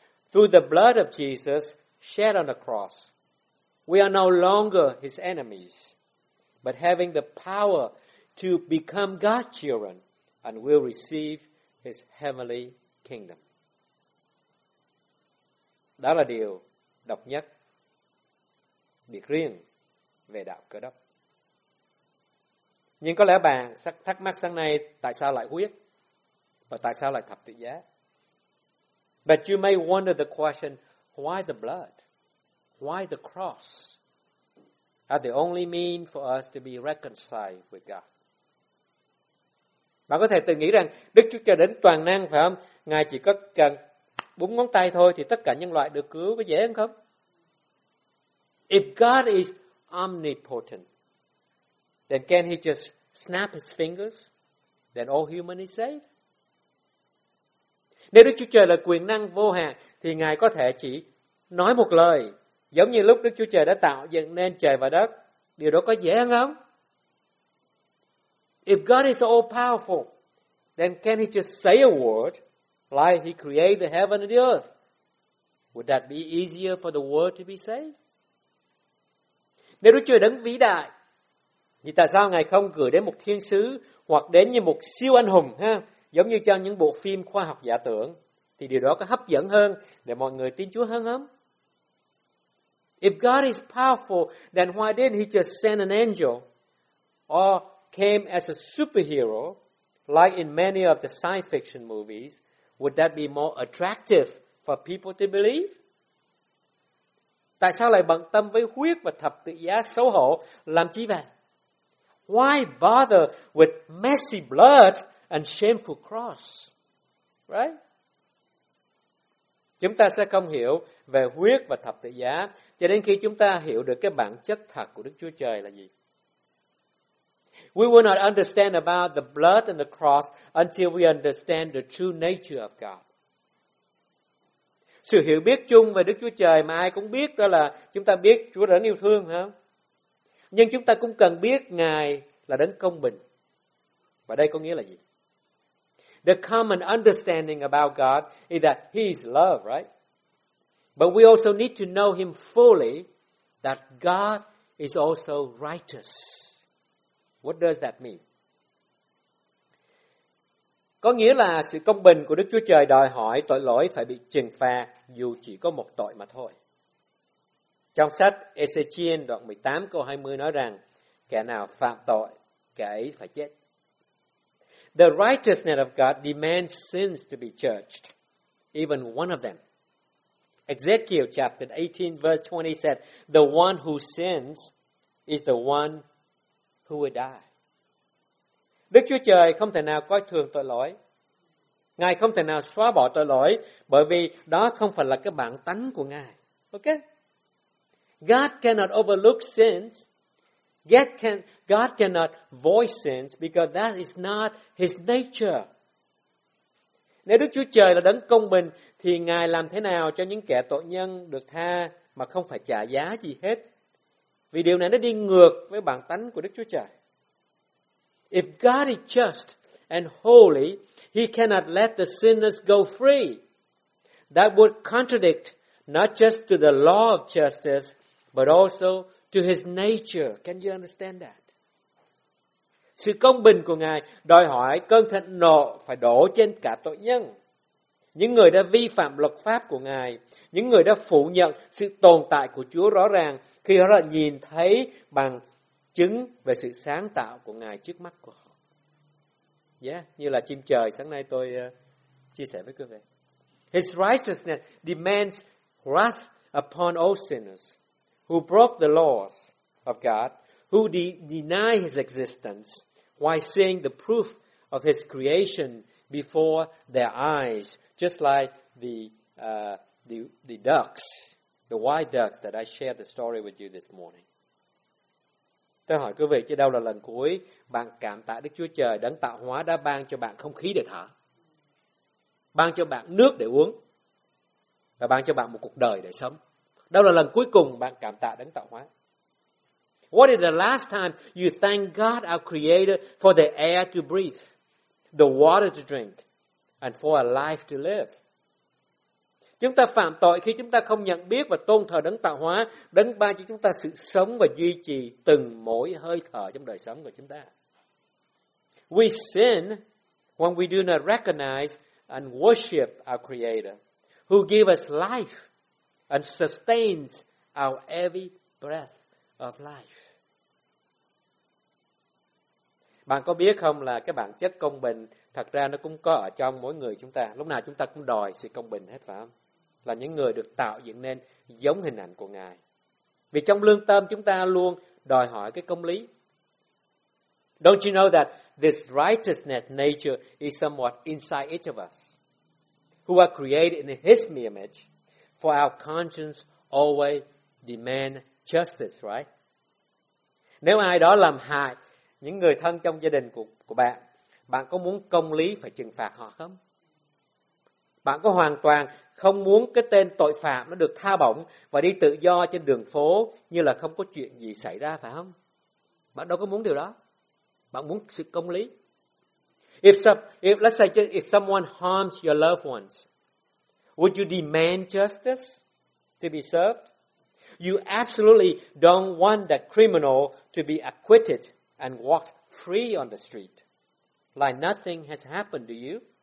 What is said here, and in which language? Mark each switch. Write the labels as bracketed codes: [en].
[en] Through the blood of Jesus shed on the cross, we are no longer His enemies, but having the power to become God's children and will receive His heavenly kingdom. [vi] Đó là điều độc nhất, biệt riêng về đạo Cơ Đốc. Nhưng có lẽ bạn thắc mắc sáng nay tại sao lại huyết và tại sao lại thập tự giá. [en] But you may wonder the question, why the blood? Why the cross? Are the only mean for us to be reconciled with God? [vi] Bạn có thể tự nghĩ rằng Đức Chúa Trời đến toàn năng, phải không? Ngài chỉ có cần búng ngón tay thôi thì tất cả nhân loại được cứu, có dễ hơn không? [en] If God is omnipotent, then can He just snap His fingers? Then all humans is safe? [vi] Nếu Đức Chúa Trời là quyền năng vô hạn, thì Ngài có thể chỉ nói một lời, giống như lúc Đức Chúa Trời đã tạo dựng nên trời và đất. Điều đó có dễ hơn không? [en] If God is all powerful, then can He just say a word like He created the heaven and the earth? Would that be easier for the world to be saved? [vi] Nếu Đức Chúa Trời đấng vĩ đại, thì tại sao Ngài không gửi đến một thiên sứ hoặc đến như một siêu anh hùng, ha? Giống như trong những bộ phim khoa học giả tưởng, thì điều đó có hấp dẫn hơn để mọi người tin Chúa hơn không? [en] If God is powerful, then why didn't he just send an angel or came as a superhero, like in many of the science fiction movies? Would that be more attractive for people to believe? [vi] Tại sao lại bận tâm với huyết và thập tự giá xấu hổ làm chi vậy? [en] Why bother with messy blood and shameful cross? Right? [vi] Chúng ta sẽ không hiểu về huyết và thập tự giá cho đến khi chúng ta hiểu được cái bản chất thật của Đức Chúa Trời là gì. [en] We will not understand about the blood and the cross until we understand the true nature of God. [vi] Sự hiểu biết chung về Đức Chúa Trời mà ai cũng biết đó là chúng ta biết Chúa đã yêu thương, hả? Nhưng chúng ta cũng cần biết Ngài là đấng công bình. Và đây có nghĩa là gì? [en] The common understanding about God is that he is love, right? But we also need to know him fully, that God is also righteous. What does that mean? [vi] Có nghĩa là sự công bình của Đức Chúa Trời đòi hỏi tội lỗi phải bị trừng phạt dù chỉ có một tội mà thôi. Trong sách Ezechiel đoạn 18 câu 20 nói rằng, kẻ nào phạm tội, kẻ ấy phải chết. [en] The righteousness of God demands sins to be judged, even one of them. Ezekiel chapter 18 verse 20 said, the one who sins is the one who will die. [vi] Đức Chúa Trời không thể nào coi thường tội lỗi. Ngài không thể nào xóa bỏ tội lỗi, bởi vì đó không phải là cái bản tánh của Ngài. [en] Okay? God cannot overlook sins. God cannot void sins because that is not his nature. [vi] Nếu Đức Chúa Trời là đấng công bình, thì Ngài làm thế nào cho những kẻ tội nhân được tha mà không phải trả giá gì hết? Vì điều này nó đi ngược với bản tánh của Đức Chúa Trời. [en] If God is just and holy, he cannot let the sinners go free. That would contradict not just to the law of justice, but also to his nature. Can you understand that? [vi] Sự công bình của Ngài đòi hỏi cơn thịnh nộ phải đổ trên cả tội nhân. Những người đã vi phạm luật pháp của Ngài, những người đã phủ nhận sự tồn tại của Chúa rõ ràng khi họ đã nhìn thấy bằng chứng về sự sáng tạo của Ngài trước mắt của họ. Yeah, như là chim trời sáng nay tôi chia sẻ với quý vị. [en] His righteousness demands wrath upon all sinners who broke the laws of God, who deny his existence, while seeing the proof of his creation before their eyes, just like the ducks, the white ducks that I shared the story with you this morning. [vi] Tôi hỏi quý vị, chứ đâu là lần cuối bạn cảm tạ Đức Chúa Trời đấng tạo hóa đã ban cho bạn không khí để thở, ban cho bạn nước để uống, và ban cho bạn một cuộc đời để sống? Đâu là lần cuối cùng bạn cảm tạ đấng tạo hóa? [en] What is the last time you thank God, our Creator, for the air to breathe, the water to drink, and for a life to live? [vi] Chúng ta phạm tội khi chúng ta không nhận biết và tôn thờ đấng tạo hóa, đấng ban cho chúng ta sự sống và duy trì từng mỗi hơi thở trong đời sống của chúng ta. [en] We sin when we do not recognize and worship our Creator, who gave us life and sustains our every breath of life. [vi] Bạn có biết không là cái bản chất công bình thật ra nó cũng có ở trong mỗi người chúng ta. Lúc nào chúng ta cũng đòi sự công bình hết, phải không? Là những người được tạo dựng nên giống hình ảnh của Ngài. Vì trong lương tâm chúng ta luôn đòi hỏi cái công lý. [en] Don't you know that this righteousness nature is somewhat inside each of us, who are created in his image? For our conscience always demand justice, right? [vi] Nếu ai đó làm hại những người thân trong gia đình của bạn, bạn có muốn công lý phải trừng phạt họ không? Bạn có hoàn toàn không muốn cái tên tội phạm nó được tha bổng và đi tự do trên đường phố như là không có chuyện gì xảy ra, phải không? Bạn đâu có muốn điều đó. Bạn muốn sự công lý. [en] If someone harms your loved ones, would you demand justice to be served? You absolutely don't want that criminal to be acquitted and walk free on the street like nothing has happened, do you?